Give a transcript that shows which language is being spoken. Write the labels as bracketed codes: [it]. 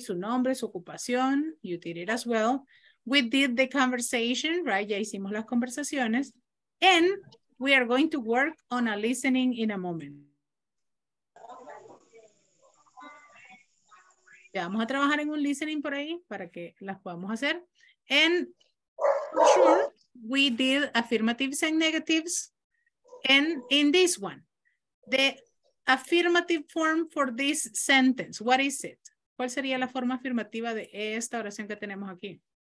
[es] Su nombre, su ocupación, [en] you did it as well. We did the conversation, right? [es] Ya hicimos las conversaciones. [en] And we are going to work on a listening in a moment. [es] Ya vamos a trabajar en un listening por ahí para que las podamos hacer. [en] And for sure, we did affirmatives and negatives. And in this one, the affirmative form for this sentence, what is it? [es] ¿Cuál sería la forma afirmativa de esta oración que tenemos aquí?